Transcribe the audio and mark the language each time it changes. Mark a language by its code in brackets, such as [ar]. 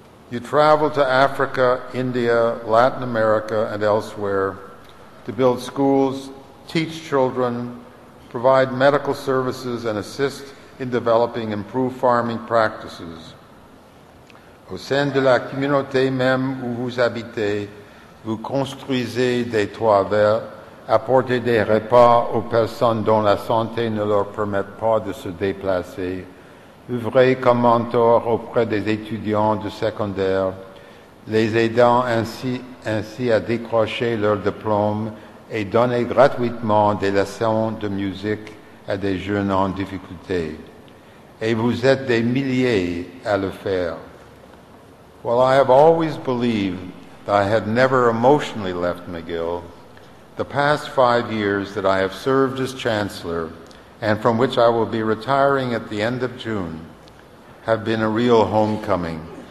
[en] You travel to Africa, India, Latin America, and elsewhere to build schools, teach children, provide medical services, and assist in developing improved farming practices. [fr] Au sein de la communauté même où vous habitez, vous construisez des toits verts, apportez des repas aux personnes dont la santé ne leur permet pas de se déplacer, œuvrez comme mentor auprès des étudiants de secondaire, les aidant ainsi à décrocher leur diplôme et donner gratuitement des leçons de musique à des jeunes en difficulté. Et vous êtes des milliers à le faire. [en] While I have always believed that I had never emotionally left McGill, the past 5 years that I have served as chancellor, and from which I will be retiring at the end of June, have been a real homecoming.